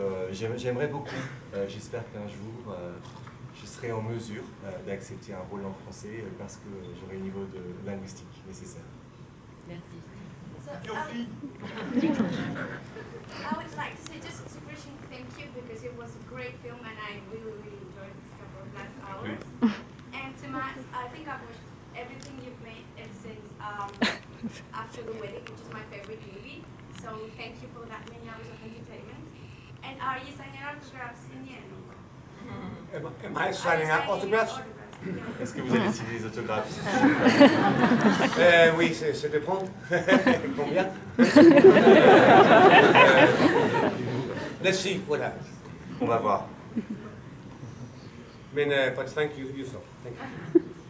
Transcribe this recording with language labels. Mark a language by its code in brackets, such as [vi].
[fr] J'aimerais beaucoup, j'espère qu'un jour, je serai en mesure d'accepter un rôle en français parce que j'aurai le niveau de linguistique nécessaire. Merci. [en] I would like to say just to wish you thank you because it was a great film and I really, really enjoyed this couple of last hours. And to my, I think I've watched everything you've made ever since After the Wedding, which is my favorite movie. So thank you for that many hours of entertainment. And are you signing autographs in the end? Am I signing autographs? [fr] Est-ce que vous avez signé les autographes? Oui, ça dépend. Combien? [en] Let's see, voilà. [fr] On va voir. [en] Mais, but thank you, Yusuf. Thank you.